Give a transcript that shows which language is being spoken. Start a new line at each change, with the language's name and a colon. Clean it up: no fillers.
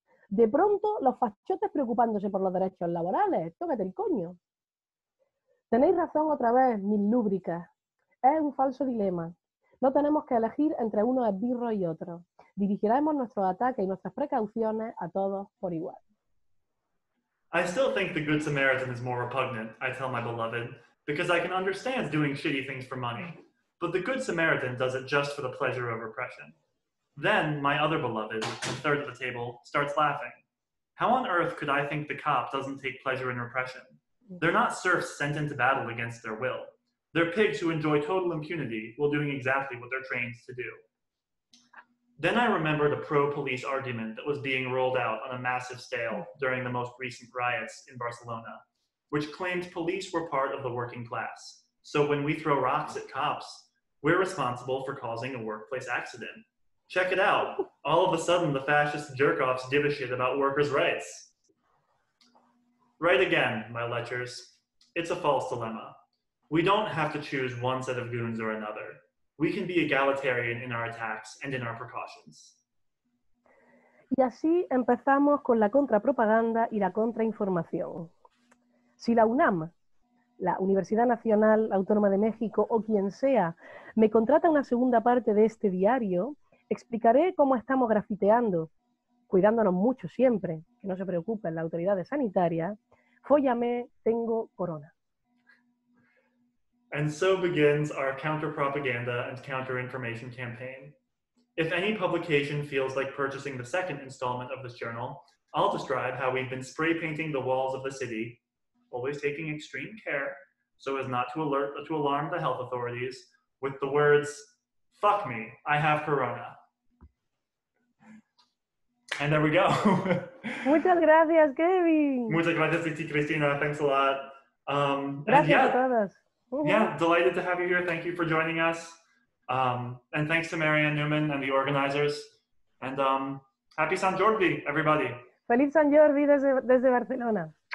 Spanish: De pronto, los fachotes preocupándose por los derechos laborales. ¡Tócate el coño! Tenéis razón otra vez, mis lúbricas. Es un falso dilema. No tenemos que elegir entre uno esbirro y otro. Dirigiremos nuestros ataques y nuestras precauciones a todos por igual.
English: I still think the Good Samaritan is more repugnant, I tell my beloved, because I can understand doing shitty things for money. But the Good Samaritan does it just for the pleasure of repression. Then my other beloved, the third at the table, starts laughing. How on earth could I think the cop doesn't take pleasure in repression? They're not serfs sent into battle against their will. They're pigs who enjoy total impunity while doing exactly what they're trained to do. Then I remembered a pro-police argument that was being rolled out on a massive scale during the most recent riots in Barcelona, which claimed police were part of the working class. So when we throw rocks at cops, we're responsible for causing a workplace accident. Check it out. All of a sudden, the fascist jerk-offs give a shit about workers' rights. Right again, my lechers. It's a false dilemma. We don't have to choose one set of goons or another. We can be egalitarian in our attacks and in our precautions.
Spanish: Y así empezamos con la contrapropaganda y la contrainformación. Si la UNAM, la Universidad Nacional Autónoma de México o quien sea, me contrata una segunda parte de este diario, explicaré cómo estamos grafiteando, cuidándonos mucho siempre, que no se preocupen las autoridades sanitarias, fóllame, tengo corona.
English: And so begins our counter-propaganda and counter-information campaign. If any publication feels like purchasing the second installment of this journal, I'll describe how we've been spray-painting the walls of the city, always taking extreme care, so as not to alarm the health authorities, with the words, fuck me, I have corona. And there we go.
Spanish: Muchas gracias, Kevin. Muchas gracias, Cristina.
English: Thanks a lot.
Spanish: Gracias a todos.
English: Yeah, delighted to have you here. Thank you for joining us. And thanks to Marianne Newman and the organizers. And happy San Jordi, everybody.
Spanish: Feliz San Jordi desde Barcelona.